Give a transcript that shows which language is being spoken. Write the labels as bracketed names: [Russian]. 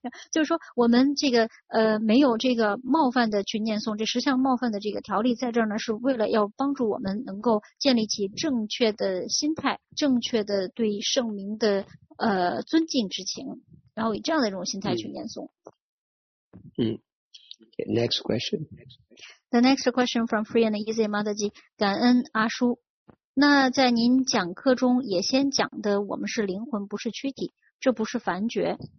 [Chinese] 就是说我们这个没有这个冒犯的去念诵这十项冒犯的这个条例，在这儿呢是为了要帮助我们能够建立起正确的心态，正确的对圣名的尊敬之情，然后以这样的一种心态去念诵。 [English] Next question. The next question from Free and Easy Mataji. [Chinese] 感恩阿叔。那在您讲课中也先讲的，我们是灵魂，不是躯体，这不是凡觉。